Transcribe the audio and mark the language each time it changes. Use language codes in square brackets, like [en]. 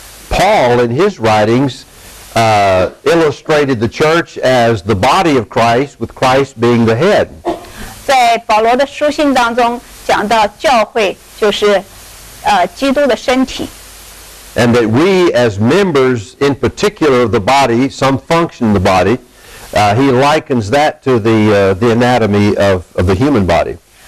[en] Paul, in his writings, illustrated the church as the body of Christ, with Christ being the head. [zh] 在保罗的书信当中讲到教会就是 基督的身体。 [en] And that we, as members in particular of the body, some function in the body, he likens that to the anatomy of the human body.